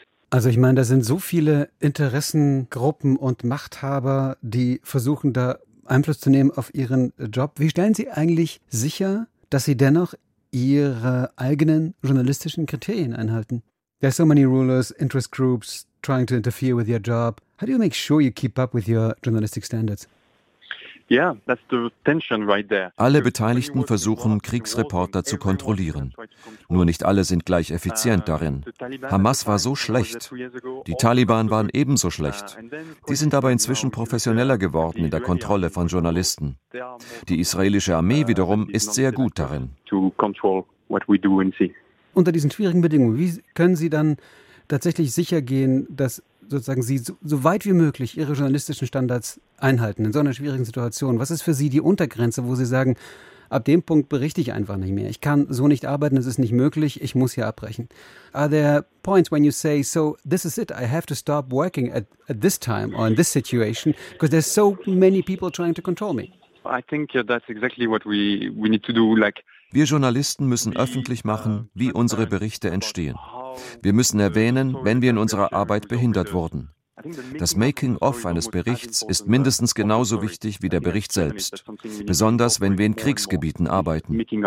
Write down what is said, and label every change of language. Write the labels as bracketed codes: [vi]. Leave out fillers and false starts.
[de] Also ich meine, da sind so viele Interessengruppen und Machthaber, die versuchen da Einfluss zu nehmen auf ihren Job. Wie stellen Sie eigentlich sicher, dass Sie dennoch Ihre eigenen journalistischen Kriterien einhalten? [en] There are so many rulers, interest groups trying to interfere with your job. How do you make sure you keep up with your journalistic standards? Yeah, that's the tension right there. [de] Alle Beteiligten versuchen, Kriegsreporter zu kontrollieren. Nur nicht alle sind gleich effizient darin. Hamas war so schlecht. Die Taliban waren ebenso schlecht. Die sind aber inzwischen professioneller geworden in der Kontrolle von Journalisten. Die israelische Armee wiederum ist sehr gut darin. Unter diesen schwierigen Bedingungen, wie können Sie dann tatsächlich sicher gehen, dass sozusagen Sie so weit wie möglich Ihre journalistischen Standards einhalten in so einer schwierigen Situation? Was ist für Sie die Untergrenze, wo Sie sagen, ab dem Punkt berichte ich einfach nicht mehr, ich kann so nicht arbeiten, es ist nicht möglich, ich muss hier abbrechen? [en] Are there points when you say, so this is it, I have to stop working at this time or in this situation, because there's so many people trying to control me? I think that's exactly what we need to do. [de] Wir Journalisten müssen öffentlich machen, wie unsere Berichte entstehen. Wir müssen erwähnen, wenn wir in unserer Arbeit behindert wurden. Das Making-of eines Berichts ist mindestens genauso wichtig wie der Bericht selbst, besonders wenn wir in Kriegsgebieten arbeiten.